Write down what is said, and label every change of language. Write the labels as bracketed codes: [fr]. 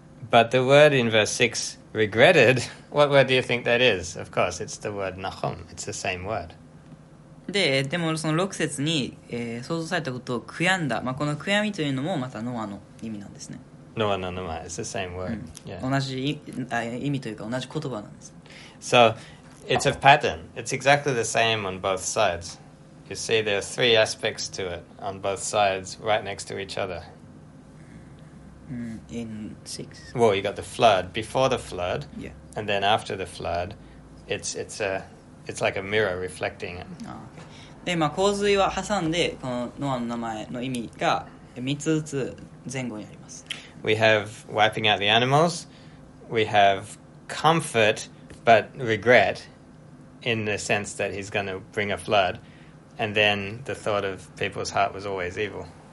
[en] But the word in verse 6, regretted, what word do you think that is? Of course, it's the word nachum. It's the same word. [ja] でもその6節に、想像されたことを悔やんだ、まあ、この悔やみというのもまたノアの意味なんですね。ノアの名前、 [en] it's the same word.、Yeah. [ja] 同じ意味というか同じ言葉なんです。 [en] So, it's a pattern. It's exactly the same on both sides. You see, there are three aspects to it on both sides, right next to each other.、うんIn 6. Well, you got the flood before the flood. Yeah. And then after the flood, it's like a mirror reflecting it. [ja] で、まあ、洪水は挟んで、このノアの名前の意味が3つずつ前後にあります。 [en] We have wiping out the animals. We have comfort, but regret in the sense that he's going to bring a flood. And then the thought of people's heart was always evil.